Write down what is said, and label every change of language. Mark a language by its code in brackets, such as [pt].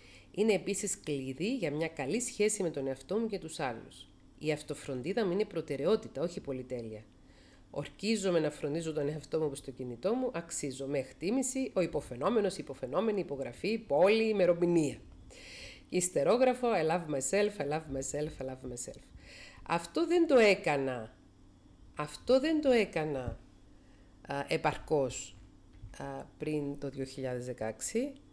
[el] Είναι επίσης κλειδί για μια καλή σχέση με τον εαυτό μου και τους άλλους. Η αυτοφροντίδα μου είναι προτεραιότητα, όχι πολυτέλεια. Ορκίζομαι να φροντίζω τον εαυτό μου όπως το κινητό μου, αξίζω. Με εκτίμηση, ο υποφαινόμενος, η υποφαινόμενη, υπογραφή, πόλη, ημερομηνία. [en] Ιστερόγραφο, I love myself, I love myself, I love myself. [el] Αυτό δεν το έκανα. Αυτό δεν το έκανα επαρκώς πριν το 2016.